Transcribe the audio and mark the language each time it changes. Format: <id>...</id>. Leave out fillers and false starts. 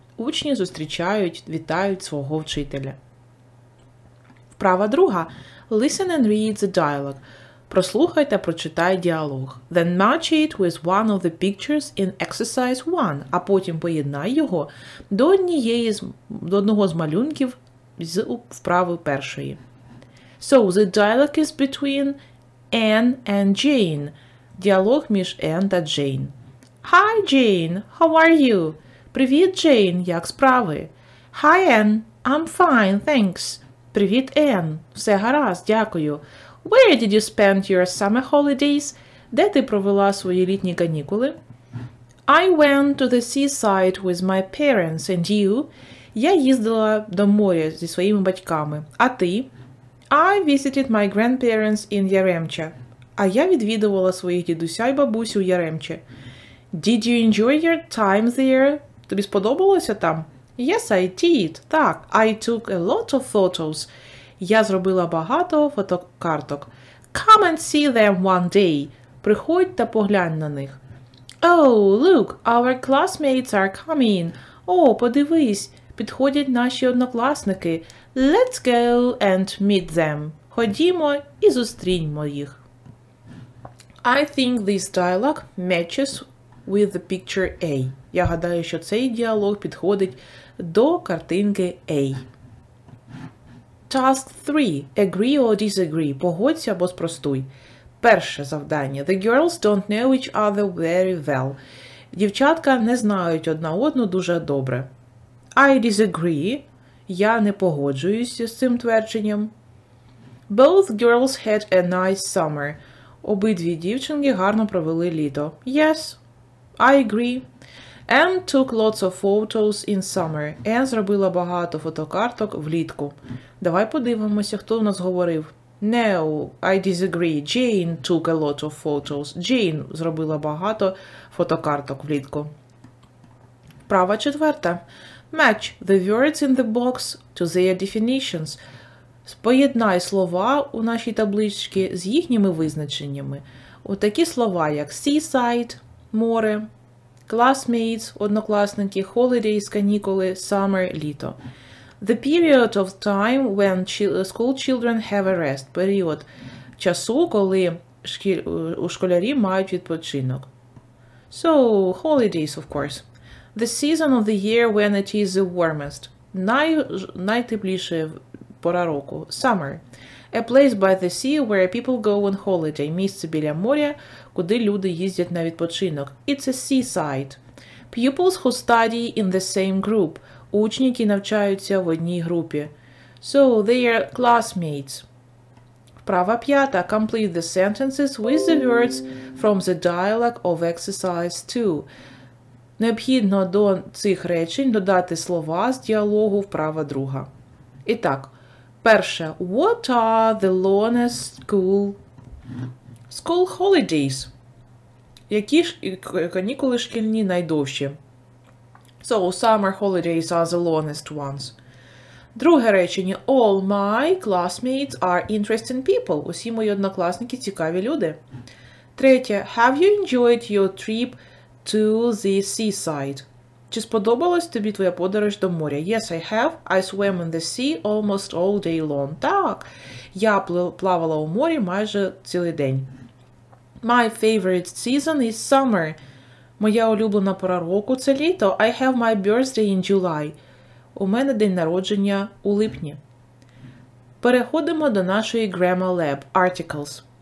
<uk>Учні зустрічають, вітають свого вчителя. Вправа друга.</uk> <en>Listen and read the dialogue.</en> <uk>Прослухай та прочитай діалог.</uk> <en>Then match it with one of the pictures in exercise 1.</en> <uk>А потім поєднай його до одного з малюнків з вправи першої.</uk> <en>So, the dialogue is between Anne and Jane.</en> <uk>Діалог між Anne та Jane.</uk> <en>Hi, Jane. How are you?</en> <uk>Привіт, Jane. Як справи?</uk> <en>Hi, Anne. I'm fine, thanks.</en> <uk>Привіт, Енн. Все гаразд, дякую.</uk> <en>Where did you spend your summer holidays?</en> <uk>Де ти провела свої літні канікули?</uk> <en>I went to the seaside with my parents and you.</en> <uk>Я їздила до моря зі своїми батьками. А ти?</uk> <en>I visited my grandparents in Яремче.</en> <uk>А я відвідувала своїх дідуся і бабусю у Яремче.</uk> <en>Did you enjoy your time there?</en> <uk>Тобі сподобалося там?</uk> <en>Yes, I did. Так, I took a lot of photos.</en> <uk>Я зробила багато фотокарток.</uk> <en>Come and see them one day.</en> <uk>Приходь та поглянь на них.</uk> <en>Oh, look, our classmates are coming.</en> <uk>О, подивись, підходять наші однокласники.</uk> <en>Let's go and meet them.</en> <uk>Ходімо і зустріньмо їх.</uk> <en>I think this dialogue matches with the picture A.</en> <uk>Я гадаю, що цей діалог підходить до картинки A.</uk> <en>Task 3. Agree or disagree.</en> <uk>Погодься або спростуй. Перше завдання.</uk> <en>The girls don't know each other very well.</en> <uk>Дівчатка не знають одна одну дуже добре.</uk> <en>I disagree.</en> <uk>Я не погоджуюся з цим твердженням.</uk> <en>Both girls had a nice summer.</en> <uk>Обидві дівчинки гарно провели літо.</uk> <en>Yes, I agree. Anne took lots of photos in summer.</en> <uk>Anne зробила багато фотокарток влітку. Давай подивимося, хто в нас говорив.</uk> <en>No, I disagree. Jane took a lot of photos.</en> <uk>Jane зробила багато фотокарток влітку. Права четверта.</uk> <en>Match the words in the box to their definitions.</en> <uk>Поєднай слова у нашій табличці з їхніми визначеннями. От такі слова, як seaside, море, classmates, однокласники, holidays, канікули, summer, літо.</uk> <en>The period of time when school children have a rest.</en> <uk>Період часу, коли у школярі мають відпочинок.</uk> <en>So, holidays, of course. The season of the year when it is the warmest.</en> <uk>Найтепліше пора року. Summer.</uk> <en>A place by the sea where people go on holiday.</en> <uk>Місце біля моря, куди люди їздять на відпочинок.</uk> <en>It's a seaside. Pupils who study in the same group.</en> <uk>Учні, які навчаються в одній групі.</uk> <en>So, they are classmates.</en> <uk>Права п'ята.</uk> <en>Complete the sentences with the words from the dialogue of exercise 2.</en> <uk>Необхідно до цих речень додати слова з діалогу вправа друга. І так. Перше.</uk> <en>What are the longest school holidays?</en> <uk>Які ж канікули шкільні найдовші?</uk> <en>So, summer holidays are the longest ones.</en> <uk>Друге речення.</uk> <en>All my classmates are interesting people.</en> <uk>Усі мої однокласники цікаві люди. Третє.</uk> <en>Have you enjoyed your trip to the seaside?</en> <uk>Чи сподобалась тобі твоя подорож до моря?</uk> <en>Yes, I have. I swam in the sea almost all day long.</en> <uk>Так, я плавала у морі майже цілий день.</uk> <en>My favorite season is summer.</en> <uk>Моя улюблена пора року – це літо.</uk> <en>I have my birthday in July.</en> <uk>У мене день народження у липні. Переходимо до нашої Grammar Lab – Articles.</uk>